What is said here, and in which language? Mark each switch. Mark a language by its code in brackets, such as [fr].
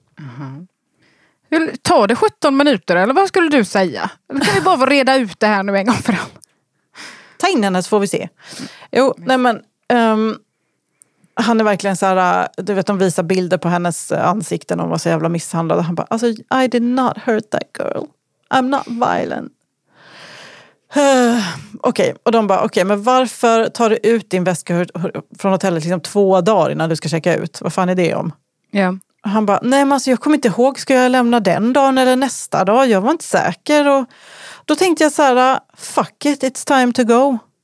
[sv] Mm-hmm. Tar det 17 minuter eller vad skulle du säga? Nu kan vi bara reda ut det här nu en gång för dem. Ta in henne så får vi se. Jo, nej men. Han är verkligen så här. Du vet, de visar bilder på hennes ansikten. Hon var så jävla misshandlad. Han bara, alltså, [en] I did not hurt that girl. I'm not violent. [sv] Okej, okay. Och de bara, okej, men varför tar du ut din väska från hotellet liksom 2 dagar innan du ska checka ut? Vad fan är det om? [en] Yeah. [sv] Han bara, nej men alltså, jag kommer inte ihåg, ska jag lämna den dagen eller nästa dag? Jag var inte säker. Och då tänkte jag så här, [en] fuck it, it's time to go.